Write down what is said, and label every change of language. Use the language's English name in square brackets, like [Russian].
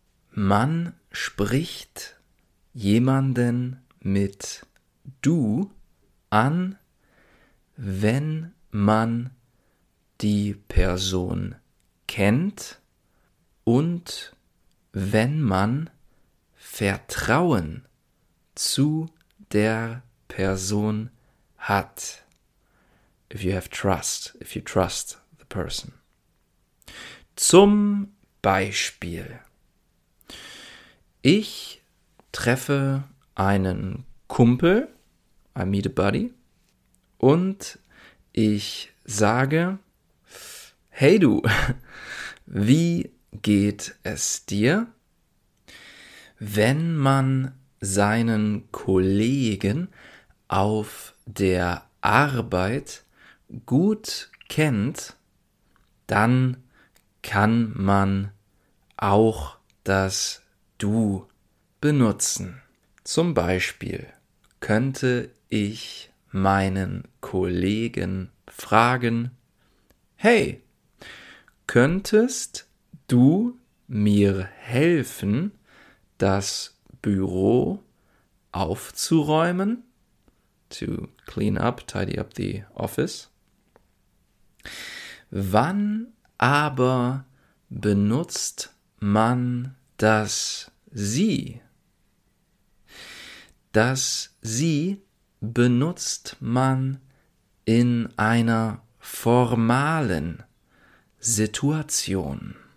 [German] Man spricht jemanden mit Du an, wenn man die Person kennt und wenn man Vertrauen zu der Person hat. [English] If you have trust, if you trust the person. [German] Zum Beispiel. Ich treffe einen Kumpel, [English] I meet a buddy, [German] und ich sage, hey du, wie geht es dir? Wenn man seinen Kollegen auf der Arbeit gut kennt, dann kann man auch das Du benutzen. Zum Beispiel könnte ich meinen Kollegen fragen, hey, könntest du mir helfen, das Büro aufzuräumen? [English] To clean up, tidy up the office. [German] Wann aber benutzt man das Sie? Das Sie benutzt man in einer formalen Situation.